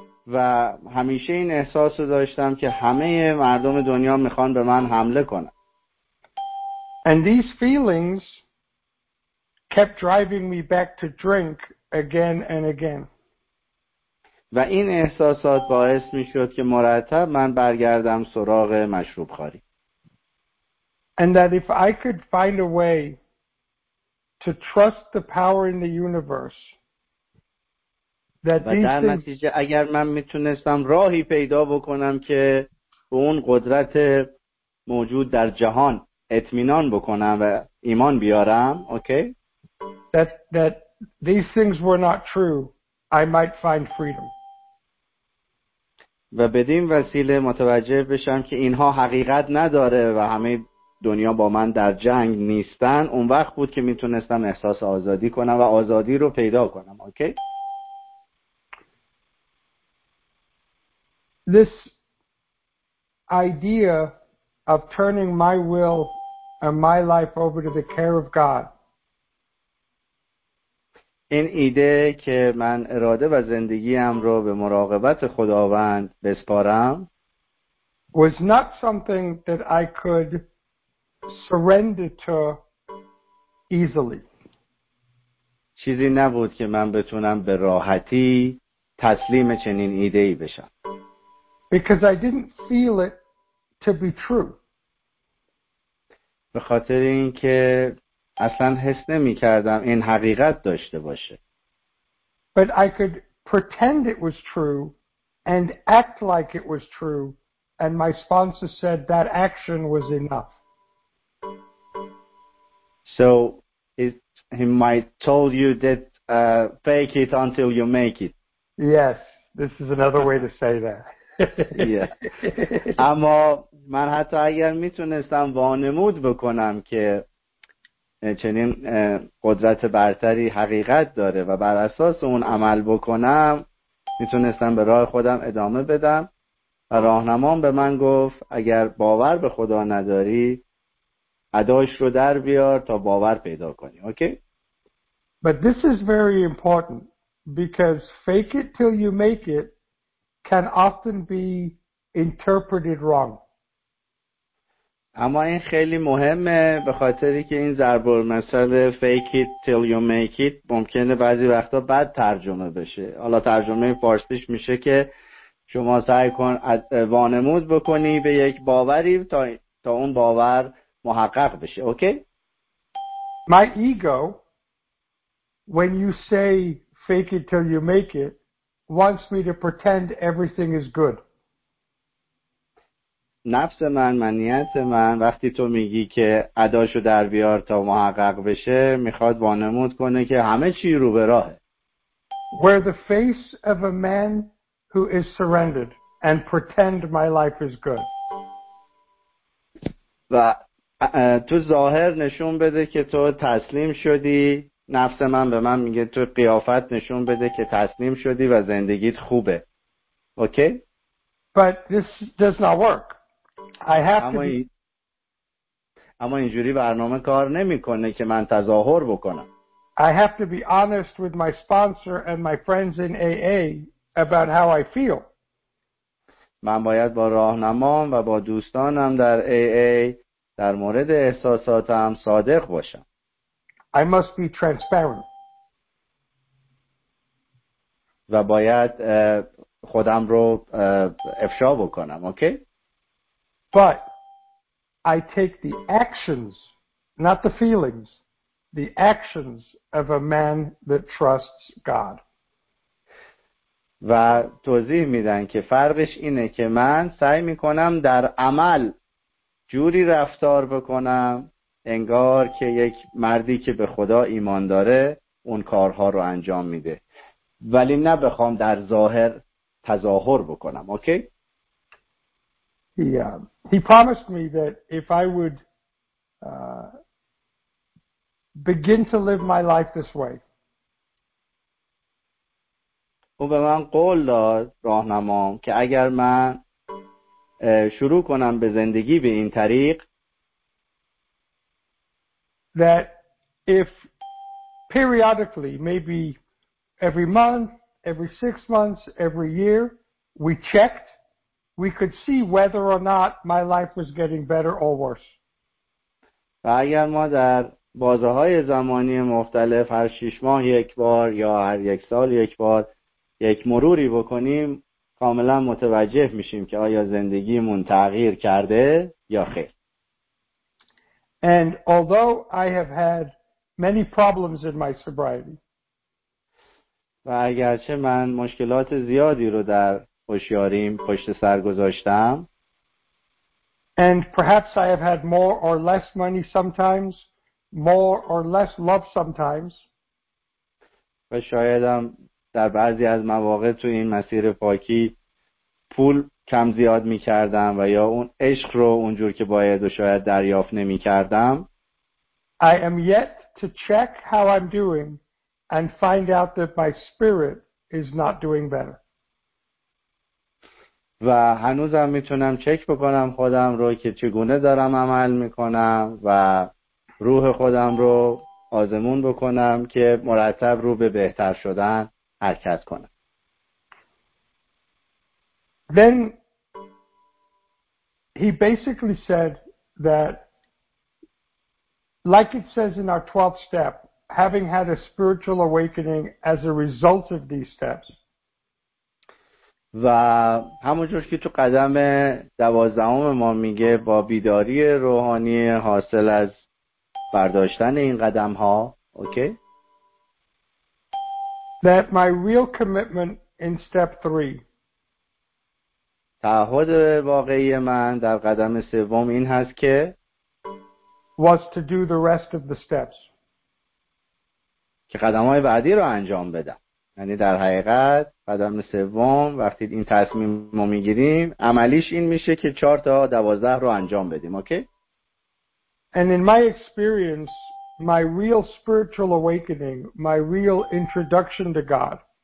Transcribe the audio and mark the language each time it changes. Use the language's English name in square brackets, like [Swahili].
[Persian] و همیشه این احساس رو داشتم که همه مردم دنیا میخوان به من حمله کنن. [English] And these feelings kept driving me back to drink again and again. [Persian] و این احساسات باعث میشد که مرتب من برگردم سراغ مشروب خوری. [English] And that if I could find a way to trust the power in the universe [Persian] و در نتیجه اگر من میتونستم راهی پیدا بکنم که به اون قدرت موجود در جهان اطمینان بکنم و ایمان بیارم، اوکی؟ [English] That these things were not true, I might find freedom. [Persian] و بدین وسیله متوجه بشم که اینها حقیقت نداره و همه دنیا با من در جنگ نیستن، اون وقت بود که میتونستم احساس آزادی کنم و آزادی رو پیدا کنم، اوکی؟ [English] this idea of turning my will and my life over to the care of God. [Persian] این ایده که من اراده و زندگیم رو به مراقبت خداوند بسپارم [English] was not something that I could surrender to easily. [Persian] چیزی نبود که من بتونم به راحتی تسلیم چنین ایده ای بشم. [English] Because I didn't feel it to be true. [Persian] به خاطر اینکه اصلا حس نمی کردم این حقیقت داشته باشه. [English] But I could pretend it was true and act like it was true, and my sponsor said that action was enough. So he might told you that fake it until you make it. Yes, this is another way to say that. [Persian] Yeah. اما من حتی اگر میتونستم وانمود بکنم که چنین قدرت برتری حقیقت داره و بر اساس اون عمل بکنم میتونستم به راه خودم ادامه بدم و راهنمام به من گفت اگر باور به خدا نداری عداش رو در بیار تا باور پیدا کنی. اوکی؟ [English] But this is very important because fake it till you make it can often be interpreted wrong. [Persian] اما این خیلی مهمه به خاطری که این ضرب المثل [English] fake it till you make it [Persian] ممکنه بعضی وقتا بد ترجمه بشه. حالا ترجمه فارسیش میشه که شما سعی کن وانمود بکنی به یک باوری تا اون باور محقق بشه. اوکی؟ [English] My ego when you say fake it till you make it wants me to pretend everything is good. [Persian] نفس من، منیت من، وقتی تو میگی که عداشو در بیار تا محقق بشه، میخواد وانمود کنه که همه چی رو به راهه. [English] Where the face of a man who is surrendered and pretend my life is good. [Persian] و تو ظاهر نشون بده که تو تسلیم شدی، نفس من به من میگه تو قیافت نشون بده که تسلیم شدی و زندگیت خوبه. اوکی؟ [English] But this does not work. I have [Persian] اما اما اینجوری برنامه کار نمی‌کنه که من تظاهر بکنم. [English] I have to be honest with my sponsor and my friends in AA about how I feel. [Persian] من باید با راهنمام و با دوستانم در AA در مورد احساساتم صادق باشم. [English] I must be transparent. [Persian] و باید خودم رو افشا بکنم. اوکی؟ [English] But I take the actions, not the feelings, the actions of a man that trusts God. [Persian] و توضیح میدن که فرقش اینه که من سعی میکنم در عمل جوری رفتار بکنم انگار که یک مردی که به خدا ایمان داره اون کارها رو انجام میده، ولی نبخوام در ظاهر تظاهر بکنم. اوکی؟ [English] He promised me that if I would begin to live my life this way. [Persian] او به من قول داد راهنمام که اگر من شروع کنم به زندگی به این طریق [English] that if periodically maybe every month, every 6 months, every year we checked we could see whether or not my life was getting better or worse. [Persian] و اگر ما در بازه‌های زمانی مختلف هر 6 ماه یک بار یا هر یک سال یک بار یک مروری بکنیم کاملا متوجه میشیم که آیا زندگیمون تغییر کرده یا خیر. [English] And although I have had many problems in my sobriety. [Persian] و اگرچه من مشکلات زیادی رو در هوشیاریم پشت سر گذاشتم. [English] And perhaps I have had more or less money sometimes, more or less love sometimes. [Persian] و شایدم در بعضی از مواقع تو این مسیر پاکی پول کم زیاد می‌کردم و یا اون عشق رو اونجور که باید و شاید دریافت نمی‌کردم. [English] I am yet to check how I'm doing and find out that my spirit is not doing better. [Persian] و هنوزم میتونم چک بکنم خودم رو که چگونه دارم عمل میکنم و روح خودم رو آزمون بکنم که مرتب رو به بهتر شدن حرکت کنم. [English] Then he basically said that, like it says in our 12th step, having had a spiritual awakening as a result of these steps. [Persian] و همونجور که تو قدم دوازدهم ما میگه با بیداری روحانی حاصل از برداشتن این قدم ها اوکی؟ [English] That my real commitment in step 3. [Persian] تعهد واقعی من در قدم سوم این هست که [English] was to do the rest of the steps. [Persian] که قدم های بعدی رو انجام بدم. یعنی در حقیقت قدم سوم وقتی این تصمیم رو میگیریم عملیش این میشه که 4 تا 12 رو انجام بدیم اوکی. [English] And in my experience my real spiritual awakening my real introduction to God